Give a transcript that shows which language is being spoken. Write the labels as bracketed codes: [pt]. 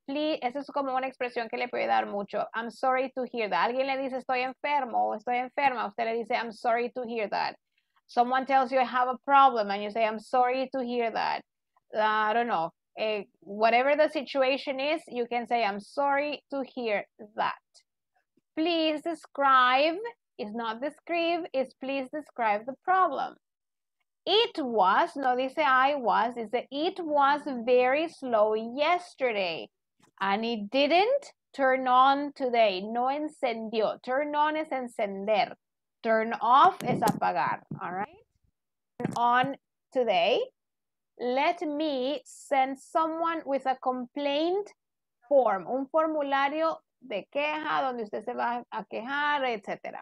[en] Please, [es] esa es como una expresión que le puede dar mucho. [en] I'm sorry to hear that. [es] Alguien le dice estoy enfermo o estoy enferma. Usted le dice [en] I'm sorry to hear that. Someone tells you I have a problem and you say I'm sorry to hear that. I don't know. Whatever the situation is, you can say I'm sorry to hear that. Please describe. It's not describe. It's please describe the problem. It was, [es] no dice [en] I was, [es] dice [en] it was very slow yesterday and it didn't turn on today. [es] No encendió. Turn on es encender. Turn off es apagar. [en] All right? Turn on today. Let me send someone with a complaint form. [es] Un formulario de queja donde usted se va a quejar, etc.